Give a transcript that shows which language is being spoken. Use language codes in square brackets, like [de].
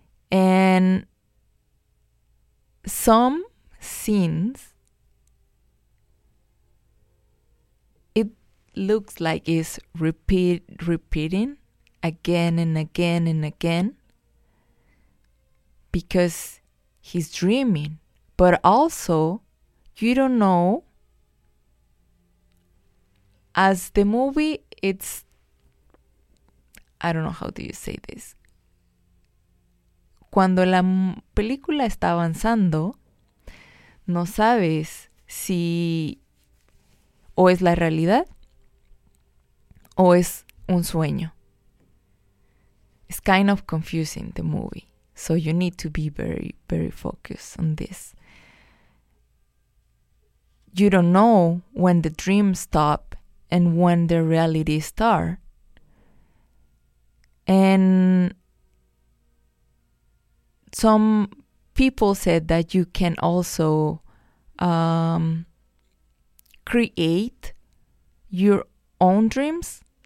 [en] And some scenes, it looks like it's repeating again and again and again, because he's dreaming, but also you don't know, as the movie, it's, I don't know how do you say this. [es] Cuando la película está avanzando, no sabes si o es la realidad o es un sueño. [en] It's kind of confusing, the movie. So you need to be very, very focused on this. You don't know when the dreams stop and when the reality starts. And some people said that you can also create your own dreams.